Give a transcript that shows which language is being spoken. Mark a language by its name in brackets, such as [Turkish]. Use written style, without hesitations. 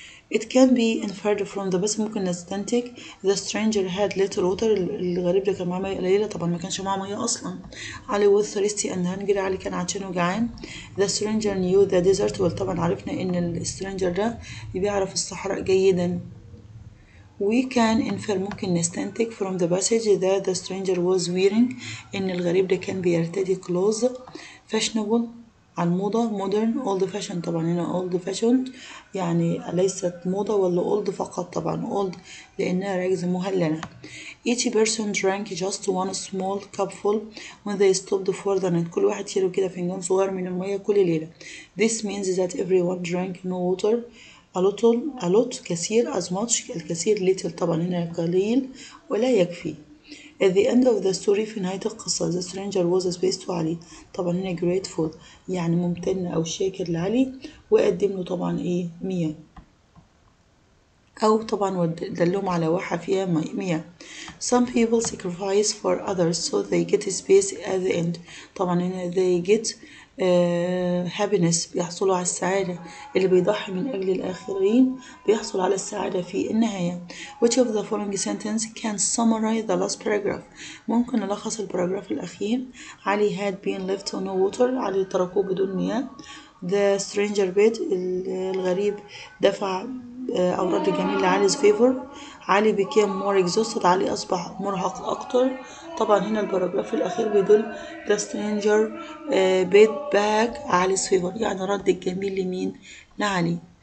[English] It can be inferred from the [Arabic] بس ممكن نستنتج [English] the stranger had little water [Arabic] الغريب ده كان معاه ميه قليله طبعا ما كانش معاه ميه اصلا. علي [English] was thirsty and hungry [Arabic] علي كان عطشان وجعان. [English] The stranger knew the desert well [Arabic] طبعا عرفنا ان السترينجر ده بيعرف الصحراء جيدا. [English] We can infer [Arabic] ممكن نستنتج [English] from the passage that the stranger was wearing [Arabic] ان الغريب ده كان بيرتدي [English] clothes fashionable [Arabic] عن موضة [English] modern old fashion [Arabic] طبعا هنا [English] old fashion [Arabic] يعني ليست موضة ولا [English] old [Arabic] فقط طبعا [English] old [Arabic] لأنها رجز مهللة. [English] Each person drank just one small cup full when they stopped for the night [Arabic] كل واحد شرب كده فنجان صغير من المية كل ليلة. [English] This means that everyone drank no water a lot [Arabic] كثير [English] as much [Arabic] الكثير [English] little [Arabic] طبعا هنا قليل ولا يكفي. [English] At the end of the story [Arabic] في نهاية القصة [English] the stranger was pleased to [Arabic] علي طبعا هنا [English] grateful [Arabic] يعني ممتن أو شاكر لعلي وقدم له طبعا إيه مياه أو طبعا دلهم على واحة فيها مياه. [English] Some people sacrifice for others so they get space at the end [Arabic] طبعا هنا [English] they get happiness [Arabic] بيحصلوا على السعادة اللي بيضحي من أجل الآخرين بيحصل على السعادة في النهاية. [English] Which of the following sentence can summarize the last paragraph [Arabic] ممكن نلخص الباراجراف الأخير. [English] علي had been left on no water علي [Arabic] تركوه بدون مياه. [English] The stranger bid [Arabic] الغريب دفع أو رد جميل لعلي's [English] favor [Arabic] علي [English] became more exhausted [Arabic] علي أصبح مرهق أكتر. طبعا هنا الباراجراف الأخير بيدل [English] the stranger bid back [Arabic] علي's [English] favor [Arabic] يعني رد الجميل لمين لعلي.